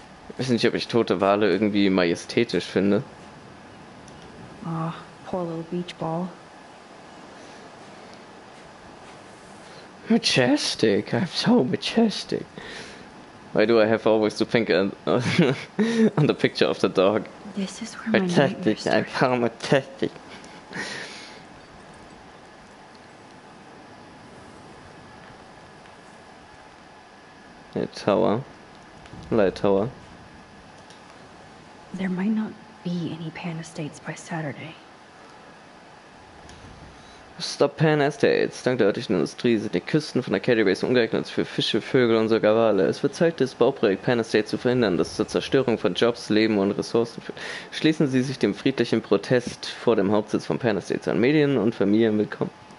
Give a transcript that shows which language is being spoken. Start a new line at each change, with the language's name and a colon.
German: Ich weiß nicht, ob ich tote Wale irgendwie majestätisch finde.
English: Aw, oh, poor little beach ball. Majestic, I'm so majestic. Why do I have always to think on the picture of the dog? This is where my nightmares start. Majestic, I found majestic. A tower. Light tower. There might not be any Pan Estates by Saturday. Stop Pan Estates.
German: Dank der örtlichen Industrie sind die Küsten von der Caddy Base ungeeignet für Fische, Vögel und sogar Wale. Es wird Zeit, das Bauprojekt Pan Estates zu verhindern, das zur Zerstörung von Jobs, Leben und Ressourcen führt. Schließen Sie sich dem friedlichen Protest vor dem Hauptsitz von Pan Estates an. Medien und Familien willkommen.